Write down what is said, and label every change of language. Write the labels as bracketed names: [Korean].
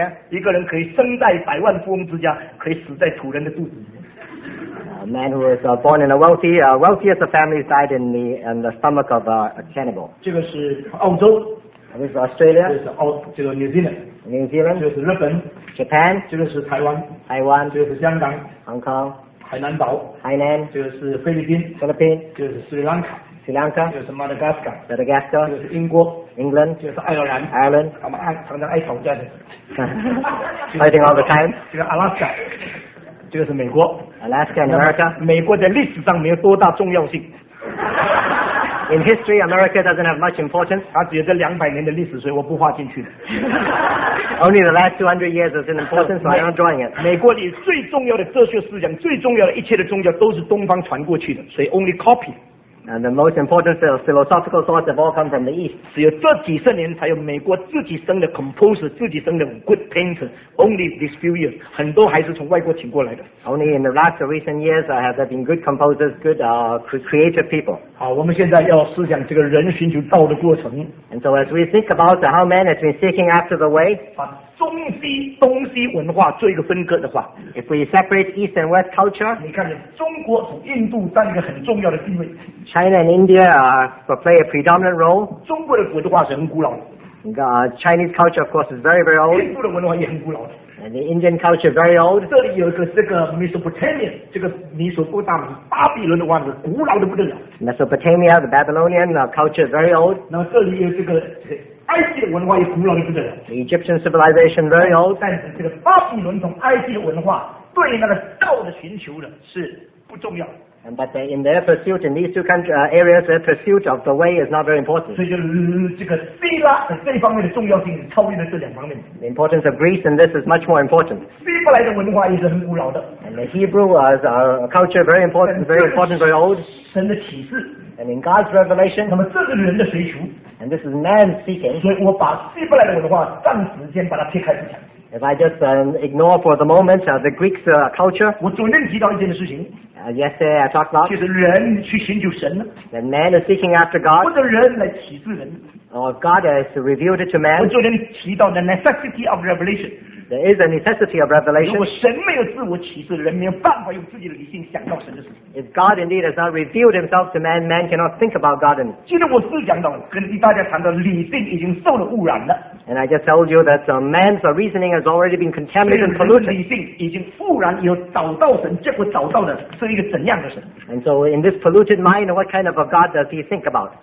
[Chinese] 一个人可以生在百万富翁之家, 可以死在土人的肚子里面。 [English] A man who was born in a wealthy, wealthiest family died in the stomach of a cannibal. [Chinese] 这个是澳洲, [English] this is Australia. [Chinese] 这个是澳, New Zealand. [English] New Zealand. [Chinese] 这个是日本, [English] Japan. [Chinese] 这个是台湾, [English] Taiwan. [Chinese] 这个是香港, [English] Hong Kong. [Chinese] 海南岛, [English] Hainan. [Chinese] 这个是菲律宾, [English] Philippines. [Chinese] 这个是Sri Lanka, [English] Sri Lanka. [Chinese] 这个是Madagascar, [English] Madagascar. [Chinese] 这个是英国, [English] England. [Chinese] 这个是爱尔兰, [English] Ireland. [Chinese] 他们爱常常爱吵架的, [English] fighting all the time. [Chinese] 这个Alaska. 这个是美国, [English] Alaska and America. [Chinese] 美国在历史上没有多大重要性, [English] in history America doesn't have much importance. [Chinese] 它只有这200年的历史, 所以我不画进去, [English] only the last 200 years is in importance, so I'm not drawing it. [Chinese] 美国里最重要的哲学思想, 最重要的一切的宗教, 都是东方传过去的, 所以 [English] only copy. And the most important philosophical thoughts have all come from the East. [Chinese] 只有这几十年才有美国自己生的 composer, 自己生的 [English] good painter. Only these few years, [Chinese] 很多还是从外国请过来的。 [English] Only in the last recent years have there been good composers, good creative people. [Chinese] 好，我们现在要思想这个人寻求道的过程。 [English] And so as we think about how man has been seeking after the way, [Chinese] 中西文化做一个分割的话, [English] if we separate East and West culture, [Chinese] 你看中国从印度占一个很重要的地位, [English] China and India play a predominant role. [Chinese] 中国的古的话是很古老的, [English] Chinese culture of course is very very old. [Chinese] 印度的文化也很古老的, [English] and the Indian culture very old. [Chinese] 这里有一个这个 Mesopotamia, 这个尼索波大米, 巴比伦的话是古老的不得了, [English] Mesopotamia, the Babylonian culture very old. [Chinese] 那这里有这个 埃及文化也古老的不得了, [English] the Egyptian civilization very old. [Chinese] 但是这个巴比伦从埃及文化对那个道的寻求的是不重要, [English] and but in their pursuit in these two countries, areas, their pursuit of the way is not very important. [Chinese] 所以就是这个希腊这方面的重要性超越了这两方面, [English] the importance of Greece in this is much more important. [Chinese] 希伯来的文化也是很古老的, [English] and the Hebrew as our culture very important, very important, very old. [Chinese] 神的启示, [English] and in God's revelation. [Chinese] 那么这个人的谁求, [English] and this is man speaking. [Chinese] 所以我把希伯来的文化暂时间把它撇开一下, [English] if I just ignore for the moment the Greek culture. [Chinese] 我昨天提到一件事情, [English] Yesterday I talked about, [Chinese] 就是人去寻求神, [English] that man is seeking after God, [Chinese] 或者人来启示人, [English] or God has revealed it to man. [Chinese] 我昨天提到 [English] the necessity of revelation. There is a necessity of revelation. [Chinese] 如果神没有自我启示, 人没有办法用自己的理性想到神的事, [English] if God indeed has not revealed himself to man, man cannot think about God. [Chinese] 今天我思想到跟大家谈到理性已经受了污染了, [English] and I just told you that man's reasoning has already been contaminated and polluted. And so in this polluted mind, what kind of a God does he think about?